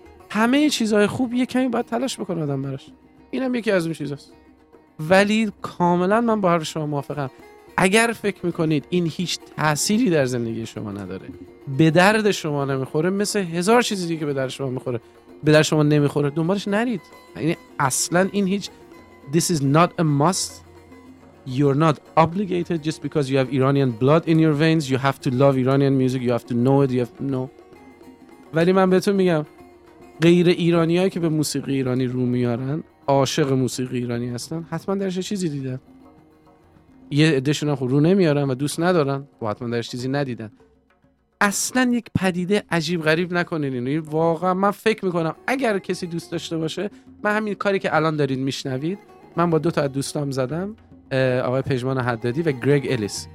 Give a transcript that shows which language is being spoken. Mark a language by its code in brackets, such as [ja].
[fa] همه چیزهای خوب یک کمی باید تلاش بکنه آدم براش. اینم یکی از اون چیزاست. ولی کاملا من با حرف شما موافقم. اگر فکر میکنید این هیچ تأثیری در زندگی شما نداره، به درد شما نمیخوره، مثل هزار چیزی دیگه که به درد شما میخوره، به درد شما نمیخوره، دنبالش نرید. یعنی اصلا این هیچ [en] This is not a must. You're not obligated just because you have Iranian blood in your veins. You have to love Iranian music. You have to know it. [fa] ولی من بهتون میگم غیر ایرانی هایی که به موسیقی ایرانی رو میارن، عاشق موسیقی ایرانی هستن، حتما درش چیزی دیدن. یه ادشون هم خب رو نمیارن و دوست ندارن و حتما درش چیزی ندیدن. اصلا یک پدیده عجیب غریب نکنین اینو. واقعا من فکر میکنم اگر کسی دوست داشته باشه، من همین کاری که الان دارین میشنوید، من با دو تا از دوستام زدم، آقای پژمان حدادی و گرگ الیس.